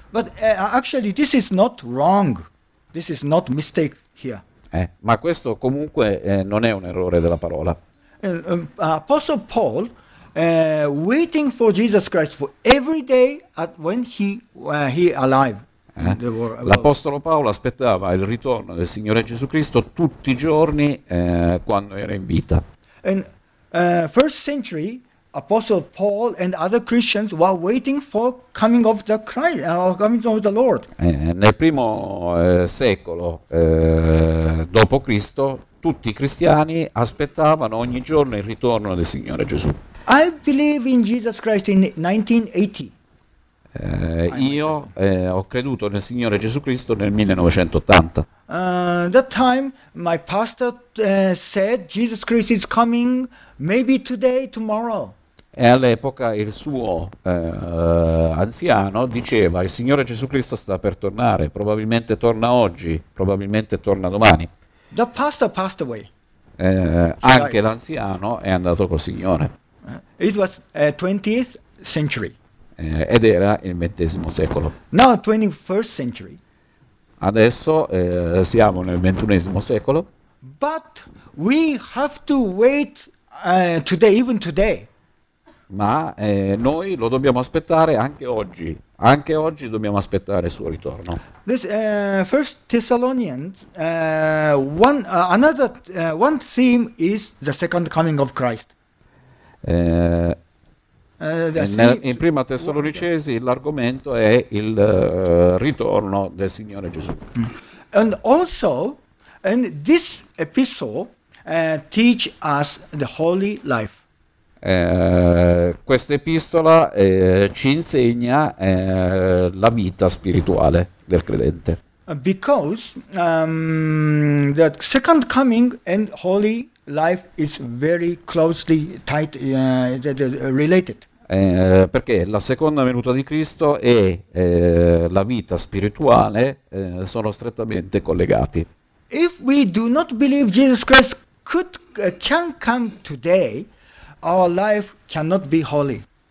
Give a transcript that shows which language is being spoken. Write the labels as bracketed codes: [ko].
[en] But actually this is not wrong, this is not mistake here. [it] Ma questo comunque non è un errore della parola. [en] Apostle Paul, waiting for Jesus Christ for every day at when he alive. [it] L'apostolo Paolo aspettava il ritorno del Signore Gesù Cristo tutti i giorni quando era in vita. [en] And first century Apostle Paul and other Christians were waiting for coming of the Christ, coming of the Lord. [it] Nel primo secolo dopo Cristo, tutti i cristiani aspettavano ogni giorno il ritorno del Signore Gesù. [en] I believe in Jesus Christ in 1980. [it] Io ho creduto nel Signore Gesù Cristo nel 1980. [en] That time my pastor said Jesus Christ is coming maybe today, tomorrow. [it] E all'epoca il suo anziano diceva il Signore Gesù Cristo sta per tornare, probabilmente torna oggi, probabilmente torna domani. [en] The pastor passed away. [it] Anche l'anziano è andato col Signore. [en] It was 20th century. [it] Ed era il ventesimo secolo. [en] Now 21st century. [it] Adesso siamo nel ventunesimo secolo. [en] But we have to wait today, even today. [it] Ma noi lo dobbiamo aspettare anche oggi. Anche oggi dobbiamo aspettare il suo ritorno. [en] This First Thessalonians one theme is the second coming of Christ. [it] In Prima Tessalonicesi l'argomento è il ritorno del Signore Gesù. [en] And also, and this epistle teach us the holy life. [it] Questa epistola ci insegna la vita spirituale del credente. [en] Because the second coming and holy life is very closely tied related. [it] Perché la seconda venuta di Cristo e la vita spirituale sono strettamente collegati. [en] If we do not believe Jesus Christ could can come today, our life cannot be holy.